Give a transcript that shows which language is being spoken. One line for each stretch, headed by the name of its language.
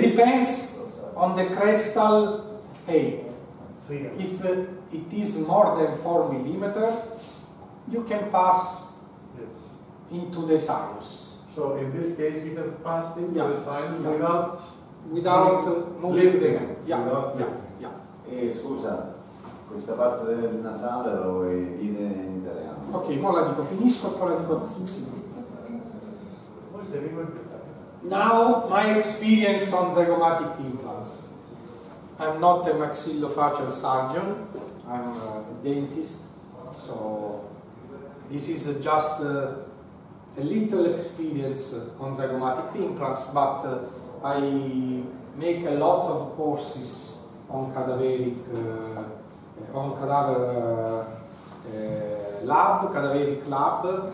English: depends on the crestal height. If it is more than 4 mm, you can pass into the sinus. So in this case you have passed into the sinus without moving the membrane.
Italian: Scusa, questa parte del nasale lo vuoi dire in italiano? Ok, poi la dico, finisco e poi la dico.
English: Now, my experience on zygomatic implants. I'm not a maxillofacial surgeon, I'm a dentist, so this is just a little experience on zygomatic implants, but I make a lot of courses on cadaveric cadaveric lab.